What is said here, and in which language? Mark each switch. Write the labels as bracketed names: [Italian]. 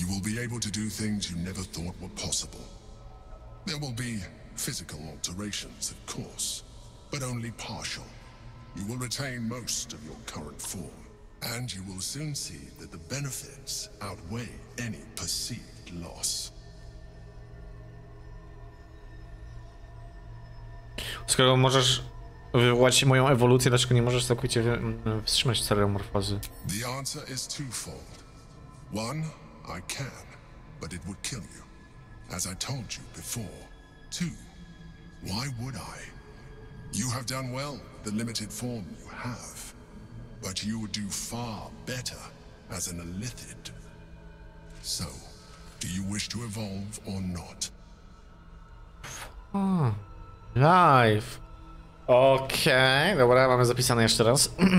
[English] You will be able to do things you never thought were possible. There will be physical alterations, of course, but only partial. You will retain most of your current form, and you will soon see that the benefits outweigh any perceived loss. [Polish] Skoro możesz wywołać moją ewolucję, dlaczego nie możesz całkowicie wstrzymać stereomorfozy? [English] The answer is twofold. One, I can, but it would kill you. As I told you before. Two, why would I? You have done well the limited form you have, but you would do far better as an illithid. So, do you wish to evolve or not? Life. [Polish] Okay, dobra, mamy zapisane jeszcze raz.